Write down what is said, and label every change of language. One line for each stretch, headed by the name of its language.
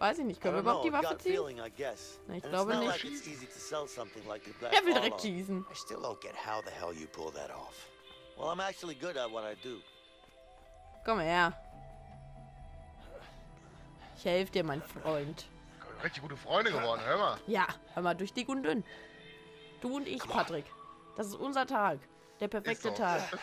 German: Weiß ich nicht, können wir überhaupt die Waffe ziehen? Feeling, na, ich glaube nicht.
English: Like
German: er will direkt schießen.
English: I still don't get how the hell you pull that off. Well, I'm actually good at what I do.
German: Komm her. Ich helfe dir, mein Freund. Richtig gute Freunde geworden, hör mal. Ja, hör mal, durch dick und dünn. Du und ich, Patrick. Das ist unser Tag. Der perfekte ist Tag.